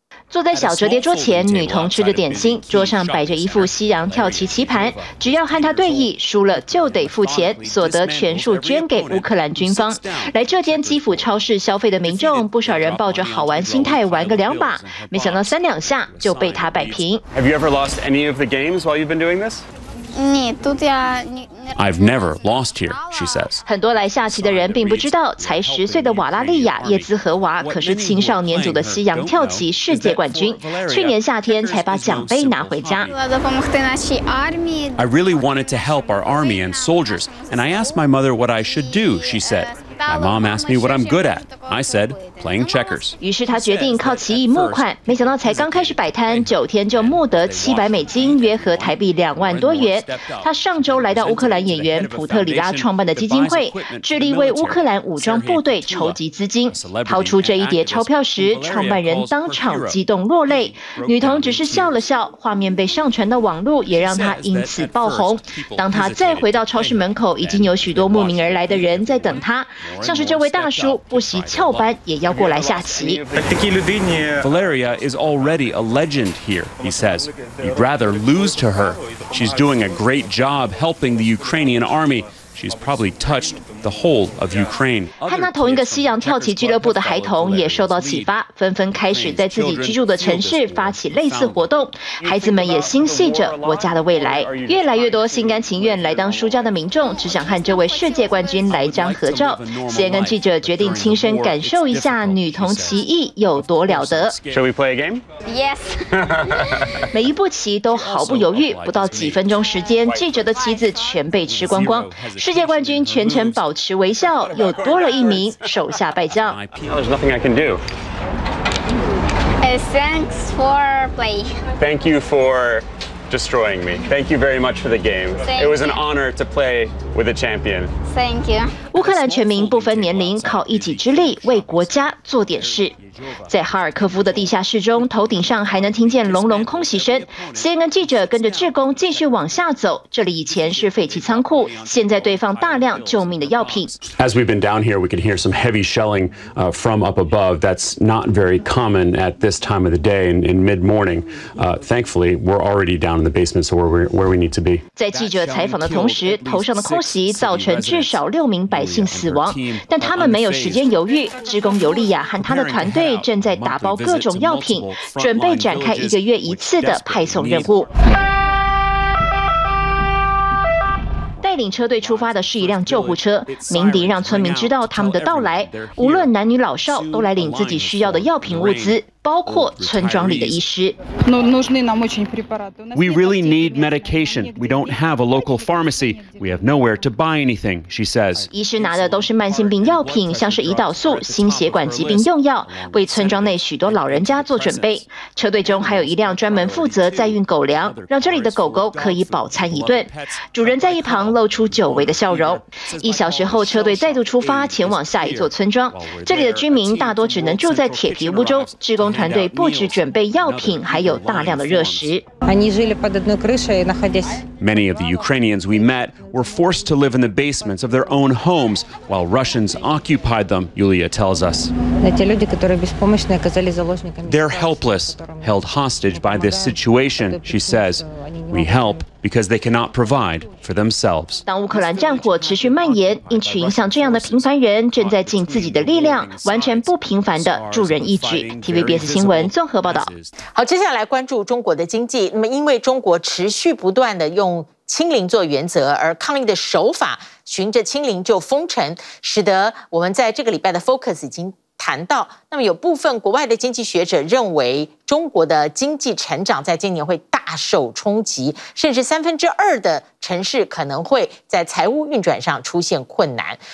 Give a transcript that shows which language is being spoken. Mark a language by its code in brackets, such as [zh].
[zh] 坐在小折叠桌前，女童吃着点心，桌上摆着一副西洋跳棋棋盘，只要和她对弈，输了就得付钱，所得全数捐给乌克兰军方。来这间基辅超市消费的民众，不少人抱着好玩心态玩个两把，没想到三两下就被她摆平。 [en] Have you ever lost any of the games while you've been doing this? I've never lost here, she says. [zh] 很多来下棋的人并不知道，才十岁的瓦拉利亚叶兹和娃可是青少年组的西洋跳棋世界冠军，去年夏天才把奖杯拿回家。 [en] I really wanted to help our army and soldiers, and I asked my mother what I should do, she said. My mom asked me what I'm good at. I said, playing checkers. [zh] 于是他决定靠棋艺募款，没想到才刚开始摆摊，九天就募得$700，约合台币20000多元。他上周来到乌克兰演员普特里拉创办的基金会，致力为乌克兰武装部队筹集资金。掏出这一叠钞票时，创办人当场激动落泪，女童只是笑了笑。画面被上传到网络，也让她因此爆红。当她再回到超市门口，已经有许多慕名而来的人在等她。像是这位大叔不惜翘班也要过来下棋。 [en] Valeria is already a legend here, he says. You'd rather lose to her. She's doing a great job helping the Ukrainian army. She's probably touched the whole of Ukraine. [zh] 和那同一个西洋跳棋俱乐部的孩童也受到启发，纷纷开始在自己居住的城市发起类似活动。孩子们也心系着国家的未来。越来越多心甘情愿来当输家的民众，只想和这位世界冠军来张合照。 CNN 记者决定亲身感受一下女童棋艺有多了得。 [en] Shall we play a game? Yes. [zh] 每一步棋都毫不犹豫，不到几分钟时间，记者的棋子全被吃光光。世界冠军全程保持微笑，又多了一名手下败将。 [en] There's nothing I can do. Thanks for play. Thank you for destroying me. Thank you very much for the game. It was an honor to play with a champion. Thank you. [zh] 乌克兰全民不分年龄，靠一己之力为国家做点事。在哈尔科夫的地下室中，头顶上还能听见隆隆空袭声。 CNN 记者跟着志工继续往下走，这里以前是废弃仓库，现在堆放大量救命的药品。 [en] As we've been down here, we can hear some heavy shelling from up above. That's not very common at this time of the day in mid-morning. Thankfully, we're already down in the basement, so we're where we need to be. [zh] 在记者采访的同时，头上的空袭造成至少6名百姓死亡，但他们没有时间犹豫。志工尤利亚和他的团队正在打包各种药品，准备展开一个月一次的派送任务。带领车队出发的是一辆救护车，鸣笛让村民知道他们的到来。无论男女老少，都来领自己需要的药品物资，包括村庄里的医师。 [en] We really need medication. We don't have a local pharmacy. We have nowhere to buy anything, she says. [zh] 医师拿的都是慢性病药品，像是胰岛素、心血管疾病用药，为村庄内许多老人家做准备。车队中还有一辆专门负责载运狗粮，让这里的狗狗可以饱餐一顿。主人在一旁露露出久违的笑容。一小时后，车队再度出发，前往下一座村庄。这里的居民大多只能住在铁皮屋中，志工团队不止准备药品，还有大量的热食。 [en] Many of the Ukrainians we met were forced to live in the basements of their own homes while Russians occupied them, Yulia tells us. They're helpless, held hostage by this situation, she says. We help because they cannot provide for themselves. [zh] 当乌克兰战火持续蔓延，一群像这样的平凡人正在尽自己的力量，完全不平凡的助人一举。 TVBS 新闻综合报道。好，接下来关注中国的经济。那么，因为中国持续不断的用清零做原则，而抗疫的手法循着清零就封城，使得我们在这个礼拜的 focus 已经谈到，那么有部分国外的经济学者认为中国的经济成长在今年会大受冲击，甚至三分之二的城市可能会在财务运转上出现困难。